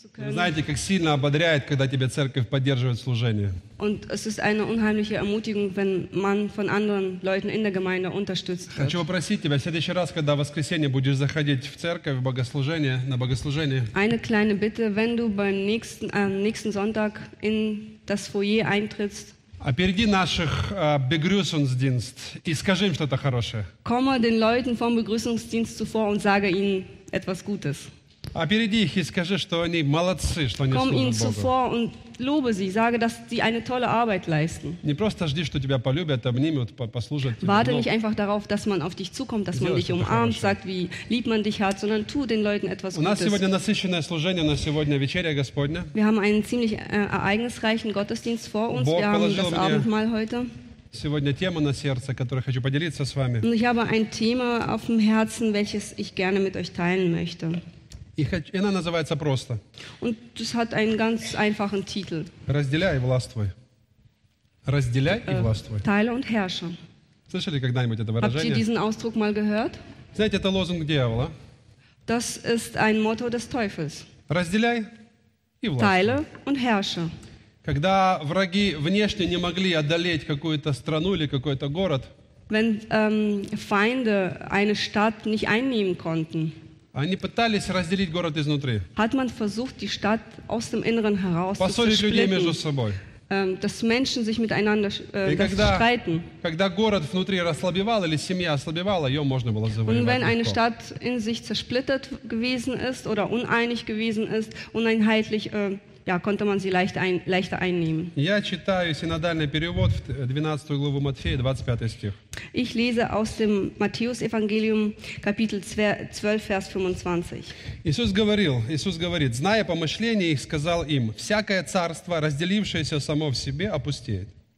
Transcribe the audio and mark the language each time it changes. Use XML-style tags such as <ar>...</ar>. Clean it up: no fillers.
<ru>знаете, как сильно ободряет, когда тебе церковь поддерживает служение.</ru> <de>Und es ist eine unheimliche Ermutigung, wenn man von anderen Leuten in der Gemeinde unterstützt wird.</de> <ru>Хочу попросить тебя, в следующий раз, когда в воскресенье будешь заходить в церковь, в богослужение, на богослужение.</ru> <de>Eine kleine Bitte, wenn du beim nächsten, nächsten Sonntag in das Foyer eintrittst.</de> <ru>Опереди наших Begrüßungsdienst и скажи им что-то хорошее.</ru> <de>Komme den Leuten vom Begrüßungsdienst zuvor und sage ihnen etwas Gutes.</de> <ru>Опереди их и скажи, что они молодцы, что они</ru> <de>Komm</de> <ru>служат</ru> <de>ihnen</de> <ru>Богу.</ru> <de>Zuvor und lobe sie, sage, dass sie eine tolle Arbeit leisten.</de> <ru>Не просто жди, что тебя полюбят, обнимут, послужат.</ru> <de>Warte nicht einfach darauf, dass man auf dich zukommt, dass man дich umarmt, sagt, wie lieb man dich hat, sondern tu den Leuten etwas Gutes.</de> <ru>У нас сегодня насыщенное служение, у нас сегодня вечеря Господня.</ru> <de>Wir haben einen ziemlich ereignisreichen Gottesdienst vor uns. Wir haben das Abendmahl heute.</de> <ru>Сегодня тема на сердце, которую хочу поделиться с вами.</ru> <de>Und ich habe ein Thema auf dem Herzen, welches ich gerne mit euch teilen möchte.</de> <ru>И она называется просто.</ru> <de>Und es hat einen ganz einfachen Titel.</de> <ru>Разделяй и властвуй. Разделяй и властвуй.</ru> <de>Teile und herrsche.</de> <ru>Слышали когда-нибудь это выражение?</ru> <de>Habt ihr diesen Ausdruck mal gehört?</de> <ru>Знаете, это лозунг дьявола.</ru> <de>Das ist ein Motto des Teufels.</de> <ru>Разделяй и властвуй.</ru> <de>Teile und herrsche.</de> <ru>Когда враги внешне не могли одолеть какую-то страну или какой-то город.</ru> <de>Wenn Feinde eine Stadt nicht einnehmen konnten.</de> <ru>Они пытались разделить город изнутри.</ru> <de>Hat man versucht, die Stadt aus dem Inneren heraus zu splitten.</de> <ru>Поссорить людей между собой.</ru> <de>Dass Menschen sich miteinander streiten.</de> <ru>Когда город внутри расслабевал или семья ослабевала, ее можно было завоевать.</ru> <de>Und wenn eine Stadt in sich zersplittert gewesen ist oder uneinig gewesen ist, uneinheitlich, ja, konnte man sie leichter einnehmen.</de> <ru>Я читаю синодальный перевод в 12 главу Матфея, 25 стих.</ru> <de>Ich lese aus dem Matthäus-Evangelium, Kapitel 12, Vers 25.</de> <ru>Иисус говорит, зная помышления их, сказал им, «Всякое царство, разделившееся само в себе, опустеет.</ru>